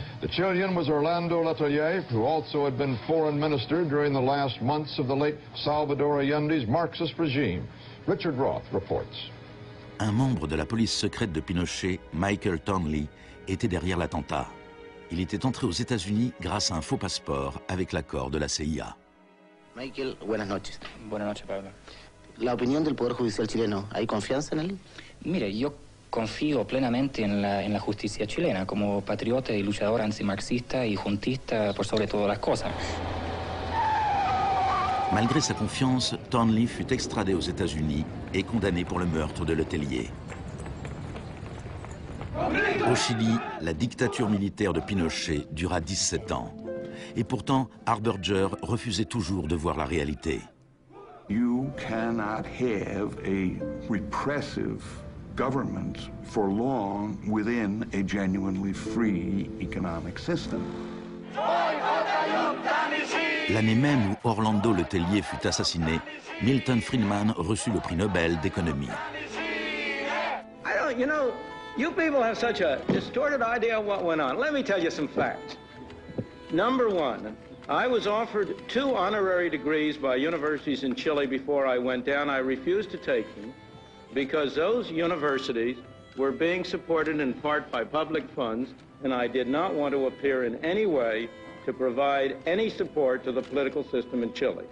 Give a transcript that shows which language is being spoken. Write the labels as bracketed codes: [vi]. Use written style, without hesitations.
[en] The Chilean was Orlando Letellier, who also had been foreign minister during the last months of the late Salvador Allende's Marxist regime. Richard Roth reports. [fr] Un membre de la police secrète de Pinochet, Michael Townley, était derrière l'attentat. Il était entré aux États-Unis grâce à un faux passeport avec l'accord de la CIA. [es] Michael, buenas noches. Buenas noches, Pablo. La opinión del poder judicial chileno, ¿hay confianza en él? Mire, yo confío plenamente en la justicia chilena como patriota y luchador antimarxista y juntista por sobre todas las cosas. [fr] Malgré sa confiance, Thornley fut extradé aux États-Unis et condamné pour le meurtre de Letellier. Au Chili, la dictature militaire de Pinochet dura 17 ans. Et pourtant, Harbinger refusait toujours de voir la réalité. [en] You cannot have a repressive government for long within a genuinely free economic system. [fr] L'année même où Orlando Letellier fut assassiné, Milton Friedman reçut le prix Nobel d'économie. [en] I don't, you know, you people have such a distorted idea of what went on. Let me tell you some facts. Number one, I was offered two honorary degrees by universities in Chile before I went down. I refused to take them because those universities were being supported in part by public funds, and I did not want to appear in any way to provide any support to the political system in Chile.